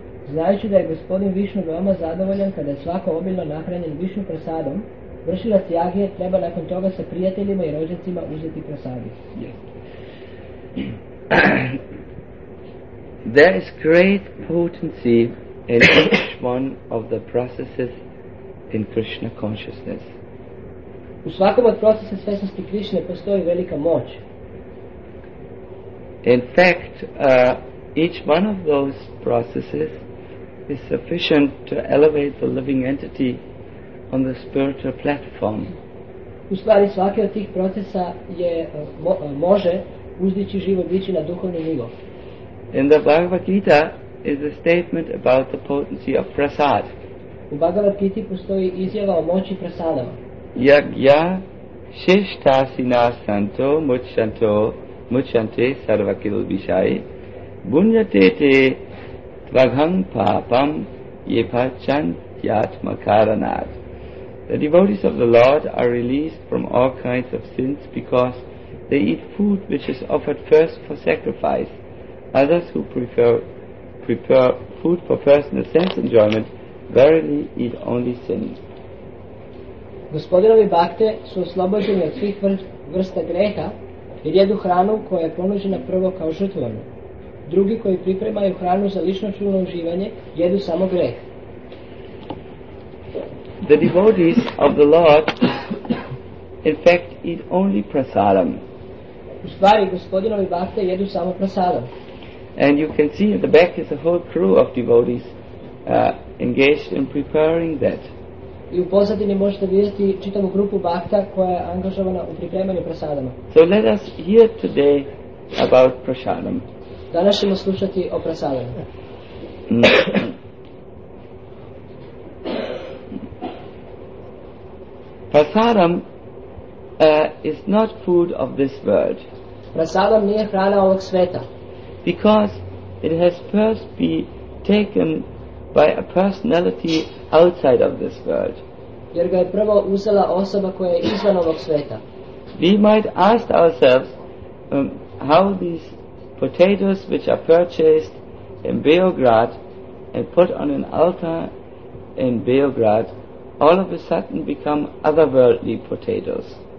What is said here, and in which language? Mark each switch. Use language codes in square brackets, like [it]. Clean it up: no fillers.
[sr] Znajući da je gospodin Višnu veoma zadovoljan kada je svako obilno nahranjen Višnu prasadom, vršilac jagije treba nakon toga sa prijateljima i rođacima uzeti prasadu. [en] Yes. There is great potency in each one of the processes in Krishna consciousness. [sr] U svakom od procesa svjesnosti Krišne postoji velika moć. [en] In fact, each one of those processes is sufficient to elevate the living entity on the spiritual platform. [sr] U stvari svaki od tih procesa je može uzdići živo biće na duhovni nivo. [en] In the Bhagavad Gita is a statement about the potency of prasad. [sr] U Bhagavad Giti postoji izjava o moći prasada. [sa] Yagya shishta sina santo mucchanto mucchante sarvakil vishai bunyate te Vagham papam yepachantyatma karanat. [en] The devotees of the Lord are released from all kinds of sins because they eat food which is offered first for sacrifice. Others who prefer food for personal sense enjoyment verily eat only sins. [sr] Gospodinovi bhakte su oslobođeni od svih vrsta greha jer jedu hranu koja je ponuđena prvo kao žrtvovanje. Drugi koji pripremaju hranu za lično čulno uživanje jedu samo greh. [en] The devotees of the Lord in fact eat only prasadam. [sr] U stvari gospodinovi bhakte jedu samo prasadam. [en] And you can see at the back is a whole crew of devotees engaged in preparing that. [sr] I u pozadini možete vidjeti čitavu grupu bhakta koja je angažovana u pripremanju prasadama. [en] So let us hear today about prasadam. [sr] Danas ćemo slušati o prasadama. [en] Prasadam is not food of this world. [sr] Prasadam nije hrana ovog sveta. [en] Because it has first been taken by a personality outside of this world. [sr] Jer ga je prvo uzela osoba koja je izvan ovog sveta. [en] We might ask ourselves how these potatoes which are purchased in Beograd and put on an altar in Beograd all of a sudden become otherworldly potatoes.